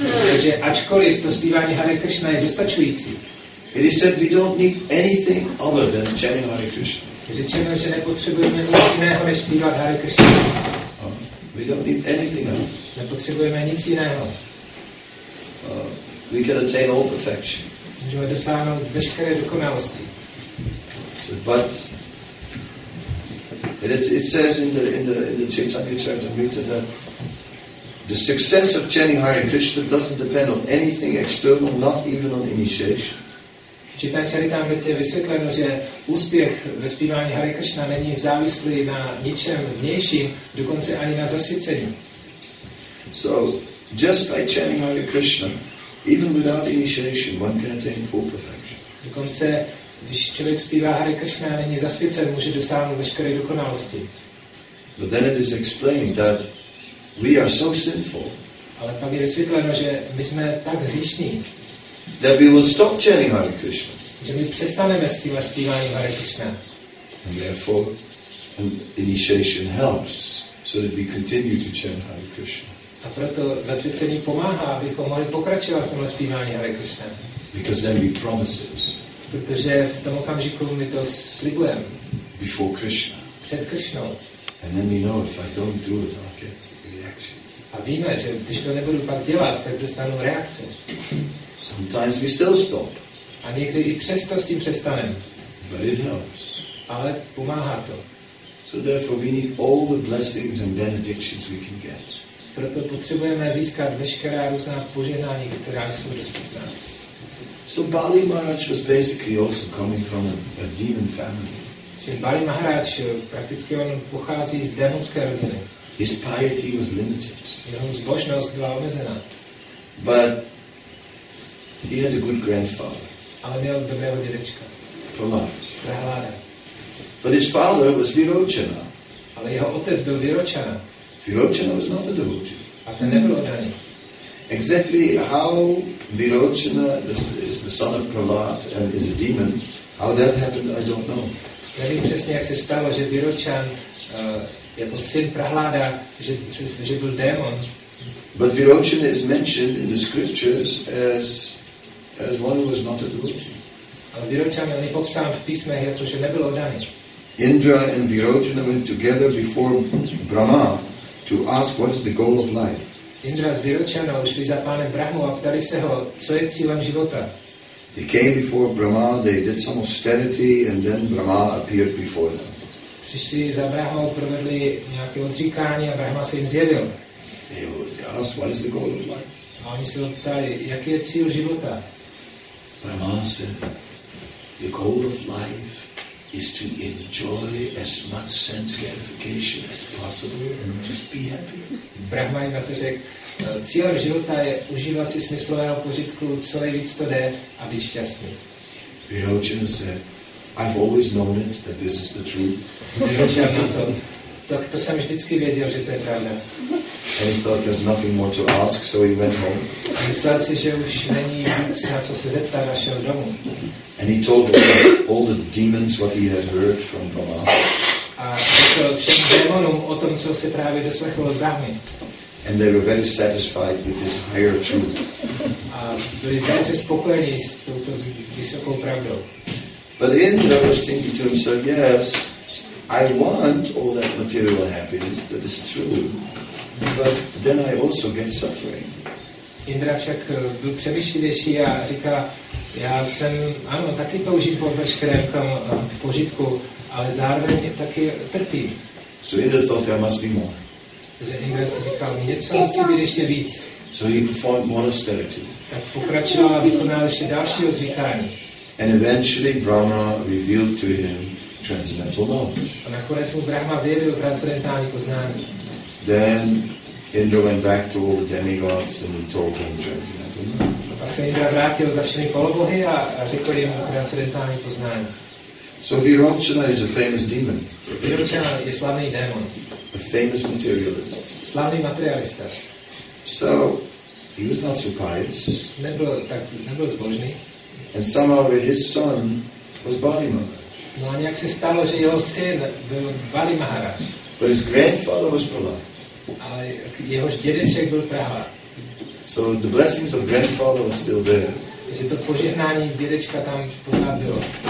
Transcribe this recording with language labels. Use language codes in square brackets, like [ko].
[cs] takže ačkoliv to zpívání Hare Krishna je dostačující, [en] it is said we don't need anything other than chanting Hare Krishna. [cs] Je řečeno, že nepotřebujeme nic jiného než zpívat Hare Krishna. [en] We don't need anything else. [cs] Nepotřebujeme nic jiného. [en] We can attain all perfection. [cs] Můžeme dosáhnout veškeré dokonalosti. [en] But it says in the Chaitanya Charitamrita that the success of chanting Hare Krishna doesn't depend on anything external, not even on initiation. [cs] Chaitanya Charitamrita je vysvětleno, že úspěch ve zpívání Hare Krishna není závislý na ničem vnějším, dokonce ani na zasvěcení. [en] So just by chanting Hare Krishna, even without initiation, one can attain full perfection. [cs] Dokonce, když člověk zpívá Hare Krishna a není zasvěcen, může dosáhnout veškeré dokonalosti. [en] But then it is explained that we are so sinful. [cs] Ale pak je vysvětleno, že my jsme tak hříšní. [en] That we will stop chanting Hare Krishna. [cs] Že my přestaneme s tím zpíváním Hare Krishna. [en] And therefore, an initiation helps so that we continue to chant Hare Krishna. [cs] A proto zasvěcení pomáhá, abychom mohli pokračovat v tomhle zpívání Hare Krishna. [en] Because then we promise it. [cs] Protože v tom okamžiku my to slibujeme. [en] Before Krishna. [cs] Před Krishnou. [en] And then we know if I don't do it, I'll get reactions. [cs] A víme, že když to nebudu pak dělat, tak dostanu reakce. [en] Sometimes we still stop. [cs] A někdy i přesto s tím přestanem. [en] But it helps. [cs] Ale pomáhá to. [en] So therefore we need all the blessings and benedictions we can get. [cs] Proto potřebujeme získat veškerá různá požehnání, která jsou dostupná. [en] So Bali Maharaj was basically also coming from a demon family. [cs] Bali Maharaj prakticky on pochází z démonské rodiny. [en] His piety was limited. [cs] Jeho zbožnost byla omezená. [en] But he had a good grandfather. [cs] Ale měl dobrého dědečka. [en] Prahláda. But his father was Virochana. [cs] Ale jeho otec byl Virochana. [en] Virochana was not a devotee. [cs] A ten nebyl oddaný. [en] Exactly how Virochana is the son of Prahlad and is a demon, how that happened, I don't know. [cs] Nevím přesně, jak se stalo, že Virochan jako syn prahláda, že byl démon. [en] But Virochana is mentioned in the scriptures as one who was not a devotee. [cs] Ale Virochana je popsán v písmech jako že nebyl oddaný. [en] Indra and Virochana went together before Brahma to ask what is the goal of life. [cs] Indra s Virochanou šli za pánem Brahmou a ptali se ho, co je cílem života. [en] They came before Brahma, they did some austerity and then Brahma appeared before them. [cs] Přišli za Brahmou, provedli nějaké odříkání a Brahma se jim zjevil. [en] They asked, what is the goal of life? [cs] A oni se ho ptali, jaký je cíl života? [en] Brahma said, the goal of life is to enjoy as much sense gratification as possible and just be happy. [cs] Brahma jim řekl, cíl života je užívat si smyslového požitku, co nejvíc to jde, a být šťastný. [en] Virochana said, I've always known it that this is the truth. [cs] Virochana to, tak to jsem vždycky věděl, že to je pravda. [en] And he thought there's nothing more to ask, so he went home. [cs] Myslel si, že už není na co se zeptat, a šel domů. [en] And he told all the demons what he had heard from Brahma. [cs] A řekl všem démonům o tom, co se právě doslechl od Brahmy. [en] And they were very satisfied with this higher truth. [cs] A byli velice spokojeni s touto vysokou pravdou. [en] But Indra was thinking to himself, yes, I want all that material happiness, that is true, but then I also get suffering. [cs] Indra však byl přemýšlivější a říká, já jsem, ano, taky toužím po veškerém tom požitku, ale zároveň taky trpím. [en] So Indra thought there must be more. [cs] Takže Indra si říkal, něco musí být ještě víc. [en] So he performed more austerity. [cs] Tak pokračoval a vykonal ještě další odříkání. [en] And eventually Brahma revealed to him transcendental knowledge. [cs] A nakonec mu Brahma vyjevil transcendentální poznání. [en] Then Indra went back to all the demigods and he told them transcendental knowledge. [cs] A pak se Indra vrátil za všechny polobohy a řekl jim transcendentální poznání. [en] So Virochana is a famous demon. [cs] Virochana je slavný démon. [en] A famous materialist. [cs] Slavný materialista. [en] So he was not so pious. [cs] Nebyl tak, nebyl zbožný. [en] And somehow his son was Bali Maharaj. [cs] No a nějak se stalo, že jeho syn byl Bali Maharaj. [en] But his grandfather was Prahlad. [cs] Ale jeho dědeček byl Prahlad. [en] So the blessings of grandfather were still there. [cs] Takže to požehnání dědečka tam pořád bylo.